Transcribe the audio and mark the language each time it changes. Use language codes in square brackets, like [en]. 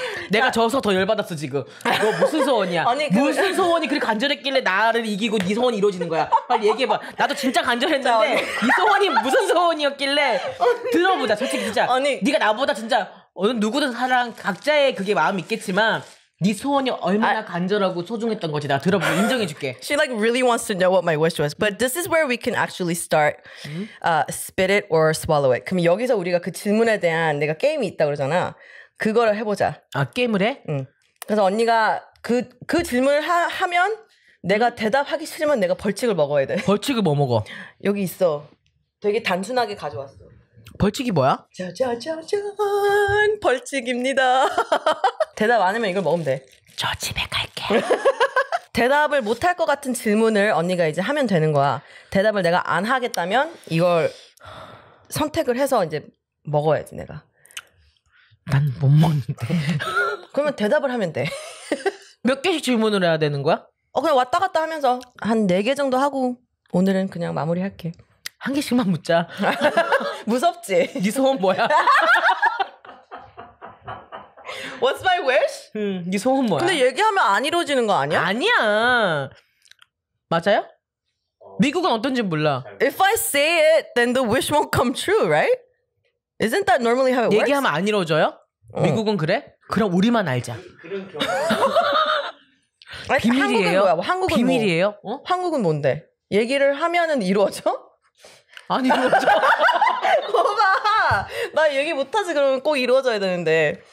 [ko] 내가 져서 더 열받았어, 지금. 너 무슨 소원이야? 아니, 무슨 소원이 그렇게 간절했길래 나를 이기고 네 소원이 이루어지는 거야? 빨리 얘기해봐. 나도 진짜 간절했는데 네 소원이 무슨 소원이었길래 들어보자, 솔직히 진짜. 아니, 네가 나보다 진짜 어느 누구든 사랑 각자의 그게 마음이 있겠지만 네 소원이 얼마나 간절하고 소중했던 거지. 나 들어보고 인정해줄게. [en] She like really wants to know what my wish was. But this is where we can actually start spit it or swallow it. [ko] 그럼 여기서 우리가 그 질문에 대한 내가 게임이 있다고 그러잖아. 그거를 해보자. 아, 게임을 해? 응. 그래서 언니가 그 질문을 하면 내가 대답하기 싫으면 내가 벌칙을 먹어야 돼. 벌칙을 뭐 먹어? 여기 있어. 되게 단순하게 가져왔어. 벌칙이 뭐야? 짜자자잔, 벌칙입니다. 대답 안 하면 이걸 먹으면 돼. 저 집에 갈게. 대답을 못할 것 같은 질문을 언니가 이제 하면 되는 거야. 대답을 내가 안 하겠다면 이걸 선택을 해서 이제 먹어야지 내가. 난 못 먹는데. 그러면 대답을 하면 돼. 몇 개씩 질문을 해야 되는 거야? 그냥 왔다 갔다 하면서 한 4개 정도 하고 오늘은 그냥 마무리할게. 한 개씩만 묻자. 무섭지? 네 소원 뭐야? [en] What's my wish? [ko] 네 소원 뭐야? 근데 얘기하면 안 이루어지는 거 아니야? 아니야. 맞아요? 미국은 어떤지 몰라. [en] If I say it, then the wish won't come true, right? Isn't that normally how it works? [ko] 얘기하면 안 이루어져요? 미국은 그래? 그럼 우리만 알자. 아니, 비밀이에요? 한국은 뭐야? 한국은 비밀이에요? 뭐? 한국은 뭔데? 얘기를 하면은 이루어져? 안 이루어져. 뭐가? 나 얘기 못하지 그러면 꼭 이루어져야 되는데.